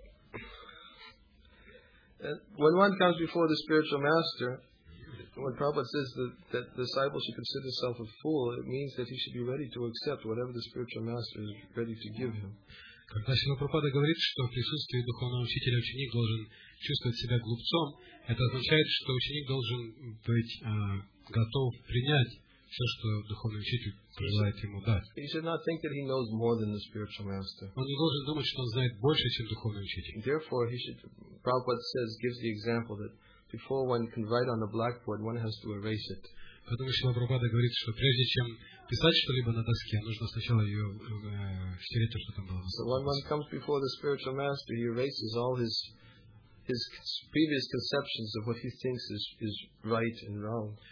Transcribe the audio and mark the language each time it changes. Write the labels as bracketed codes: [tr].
[en] When one comes before the spiritual master, when Prabhupada says that the disciple should consider himself a fool, it means that he should be ready to accept whatever the spiritual master is ready to give him. [ru] Когда Шрила Прабхупада говорит, что в присутствии духовного учителя ученик должен чувствовать себя глупцом, это означает, что ученик должен быть готов принять все, что духовный учитель желает ему дать. Он не должен думать, что он знает больше, чем духовный учитель. [en] Therefore, he should, Prabhupada says, gives the example that before one can write on a blackboard, one has to erase it. [ru] Поэтому Шрила Прабхупада говорит, что прежде чем писать что-либо на доске, нужно сначала ее стереть, то, что там было. [en] So when one comes before the spiritual master, he erases all his previous conceptions of what he thinks is right and wrong.